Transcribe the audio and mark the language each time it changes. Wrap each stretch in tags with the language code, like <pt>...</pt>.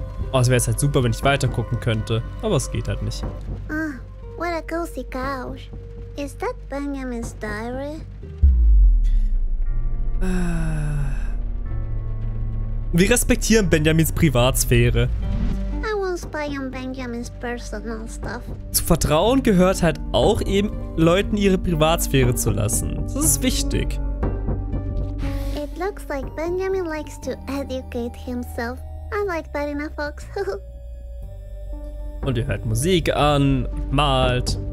<de>Oh, es wäre jetzt halt super, wenn ich weitergucken könnte. Aber es geht halt nicht.</de> <en>Ah, oh, what a cozy couch. Is that Benjamin's diary?</en> <de>Wir respektieren Benjamins Privatsphäre.</de> <en>I won't spy on Benjamin's personal stuff.</en> <de>Zu Vertrauen gehört halt auch eben, Leuten ihre Privatsphäre zu lassen. Das ist wichtig.</de> <en>Looks like Benjamin likes to educate himself. I like that in a fox.</en> <de>Und ihr hört Musik an, malt.</de>